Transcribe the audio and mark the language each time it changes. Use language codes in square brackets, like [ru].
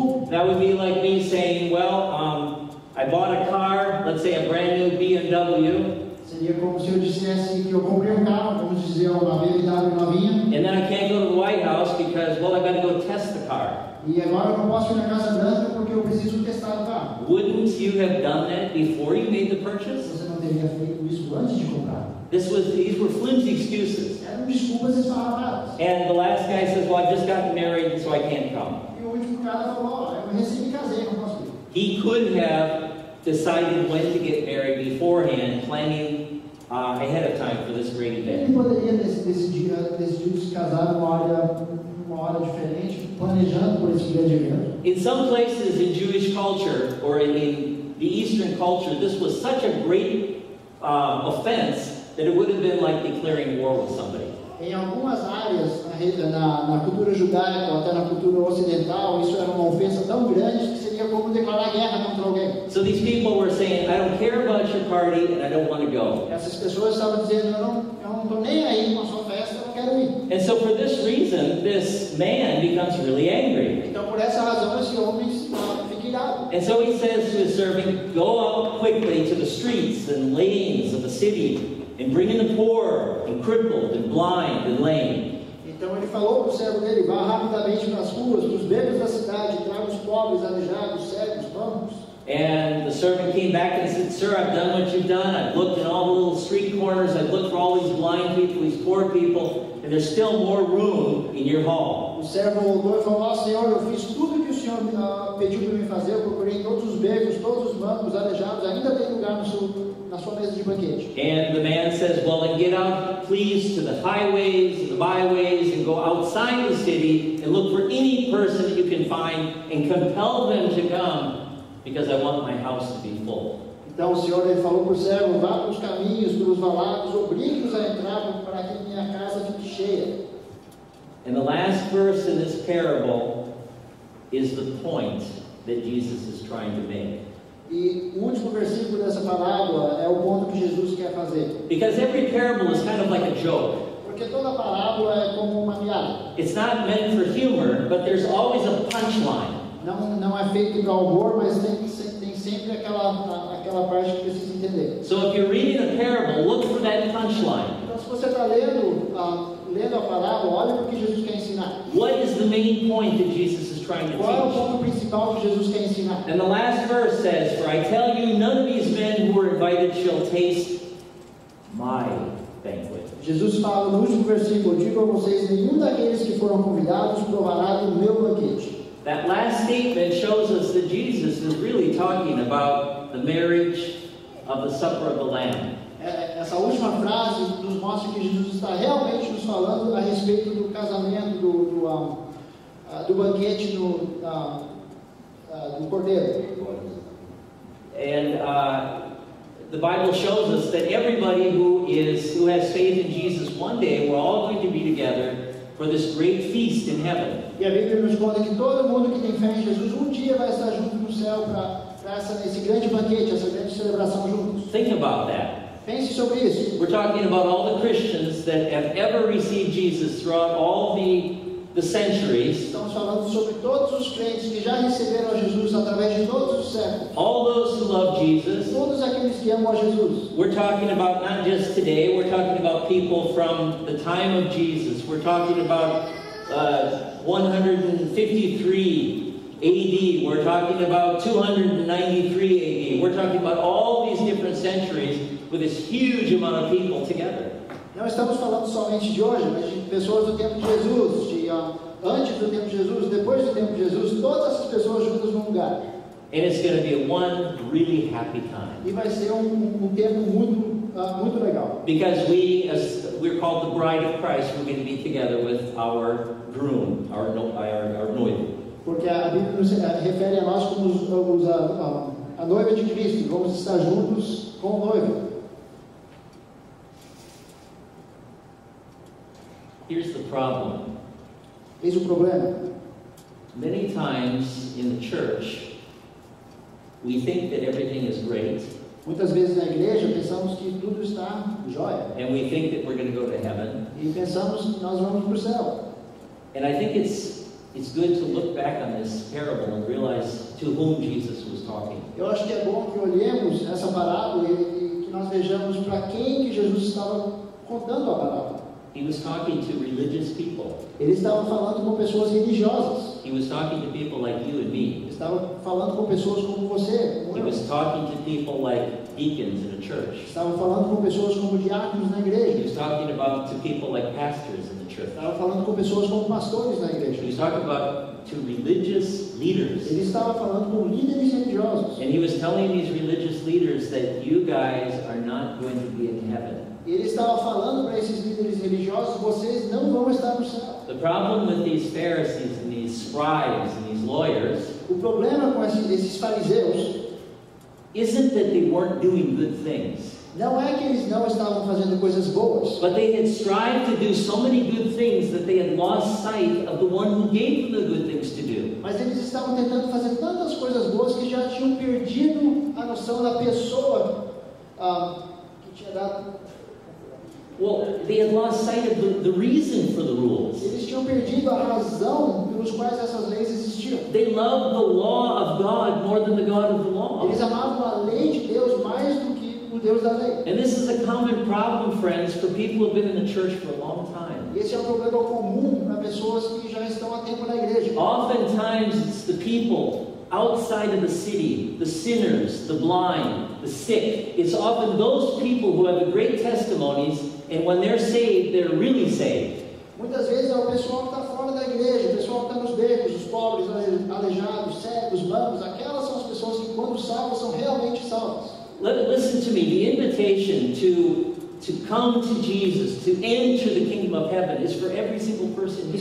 [en] That would be like me saying, well, I bought a car, let's say a brand new BMW. [pt] Seria como se eu dissesse que eu comprei carro, vamos dizer, uma BMW novinha. [en] And then I can't go to the White House because, well, I've got to go test the car. [pt] E agora eu não posso ir na Casa Branca porque eu preciso testar o carro. [en] Wouldn't you have done that before you made the purchase? [pt] Você não teria feito isso antes de comprar. [en] These were flimsy excuses. [pt] Eram desculpas esfarrapadas. [en] And the last guy says, well, I've just gotten married, so I can't come. [pt] E o último cara falou, eu recém me casei, não posso ir. [en] He could have decided when to get married beforehand, planning ahead of time for this great event. [pt] Ele poderia decidir se casar numa hora diferente, planejando por esse grande evento. [en] In some places in Jewish culture, or in the Eastern culture, this was such a great offense that it would have been like declaring war with somebody. [pt] Em algumas áreas, na cultura judaica ou até na cultura ocidental, isso era uma ofensa tão grande que seria como declarar guerra contra alguém. [en] So these people were saying, I don't care about your party and I don't want to go. [pt] Essas pessoas estavam dizendo, eu não tô nem aí com a sua festa, eu não quero ir. [en] And so for this reason, this man becomes really angry. [pt] Então por essa razão esse homem fica irado. [en] And so he says to his servant, go out quickly to the streets and lanes of the city. And bring in the poor, and crippled, and blind, and lame. [pt] Então ele falou pro servo dele, vá rapidamente pras ruas, pros bêbados da cidade, traga os pobres, aleijados, cegos, vamos. [en] And the servant came back and said, sir, I've done what you've done. I've looked in all the little street corners. I've looked for all these blind people, these poor people. And there's still more room in your hall. [pt] O servo voltou e falou, senhor, eu fiz tudo que o senhor pediu para mim fazer. Eu procurei todos os bêbados, todos os mancos, aleijados. Ainda tem lugar no seu... [en] And the man says, well, then get out, please, to the highways, the byways, and go outside the city and look for any person that you can find and compel them to come because I want my house to be full. [pt] Então o senhor ele falou pro servo, vá pros caminhos, pros valados, obrigue-os a entrar para que minha casa fique cheia. [en] And the last verse in this parable is the point that Jesus is trying to make. [pt] E o último versículo dessa parábola é o ponto que Jesus quer fazer. [en] Because every parable is kind of like a joke. [pt] Porque toda parábola é como uma piada. [en] It's not meant for humor, but there's always a punchline. [pt] Não é feito para humor, mas tem sempre aquela parte que precisa entender. [en] So if you're reading a parable, look for that punchline. [pt] Então se você está lendo a parábola, olha o que Jesus quer ensinar. [en] What is the main point that Jesus is trying to teach? [pt] Qual é o ponto principal que Jesus quer ensinar? [en] And the last verse says, for I tell you, none of these men who were invited shall taste my banquet. [pt] Jesus fala no último versículo, digo a vocês, nenhum daqueles que foram convidados provará do meu banquete. [en] That last statement shows us that Jesus is really talking about the marriage of the supper of the Lamb. [pt] Essa última frase nos mostra que Jesus está realmente nos falando a respeito do casamento, do banquete do Cordeiro. [en] And the Bible shows us that everybody who has faith in Jesus, one day we're all going to be together for this great feast in heaven. [pt] E a Bíblia nos conta que todo mundo que tem fé em Jesus um dia vai estar junto no céu para esse grande banquete, essa grande celebração juntos. [en] Think about that. [pt] Pense sobre isso. [en] We're talking about all the Christians that have ever received Jesus throughout all the centuries. [pt] Estamos falando sobre todos os crentes que já receberam Jesus através de todos os séculos. [en] All those who love Jesus. [pt] Todos aqueles que amam a Jesus. [en] We're talking about not just today. We're talking about people from the time of Jesus. We're talking about 153 AD. We're talking about 293 AD. We're talking about all these different centuries with this huge amount of people together. [pt] Não estamos falando somente de hoje, mas de pessoas do tempo de Jesus, de antes do tempo de Jesus, depois do tempo de Jesus, todas essas pessoas juntas num lugar. [en] And it's going to be one really happy time. [pt] E vai ser um tempo muito legal. [en] Because we're called the bride of Christ, we're going to be together with our groom, our noivo. [pt] Porque a Bíblia nos refere a nós como a noiva de Cristo, vamos estar juntos com o noivo. [en] Here's the problem. [pt] Eis o problema. [en] Many times in the church, we think that everything is great. [pt] Muitas vezes na igreja pensamos que tudo está joia. [en] And we think that we're going to go to heaven. [pt] E pensamos que nós vamos para o céu. [en] And I think it's good to look back on this parable and realize to whom Jesus was talking. [pt] Eu acho que é bom que olhemos essa parábola e que nós vejamos para quem que Jesus estava contando a parábola. [en] He was talking to religious people. [pt] Ele estava falando com pessoas religiosas. [en] He was talking to people like you and me. [pt] Estava falando com pessoas como você. [en] He was talking to people like deacons in a church. [pt] Estava falando com pessoas como diáconos na igreja. [en] He was talking to people like pastors in the church. [pt] Estava falando com pessoas como pastores na igreja. [en] He was talking to religious leaders. [pt] Ele estava falando com líderes religiosos. [en] And he was telling these religious leaders that you guys are not going to be in heaven. [pt] Ele estava falando para esses líderes religiosos: vocês não vão estar no céu. [en] The problem with these Pharisees and these scribes and these lawyers. [pt] O problema com esses fariseus. [en] Isn't that they weren't doing good things. [pt] Não é que eles não estavam fazendo coisas boas. [en] But they had strived to do so many good things that they had lost sight of the one who gave them the good things to do. [pt] Mas eles estavam tentando fazer tantas coisas boas que já tinham perdido a noção da pessoa que tinha dado. [en] Well, they had lost sight of the reason for the rules. [pt] Eles tinham perdido a razão pelos quais essas leis existiam. [en] They loved the law of God more than the God of the law. [pt] Eles amavam a lei de Deus mais do que o Deus da lei. [en] And this is a common problem, friends, for people who have been in the church for a long time. [pt] E esse é um problema comum para pessoas que já estão há tempo na igreja. [en] Oftentimes, it's the people outside of the city, the sinners, the blind, the sick. It's often those people who have the great testimonies. And when they're saved, they're really saved. [pt] Muitas vezes é o pessoal que está fora da igreja, o pessoal que está nos becos, os pobres, aleijados, cegos, mancos. Aquelas são as pessoas que, quando salvas, são realmente salvas. [en] Listen to me. The invitation to come to Jesus, to enter the kingdom of heaven, is for every single person here.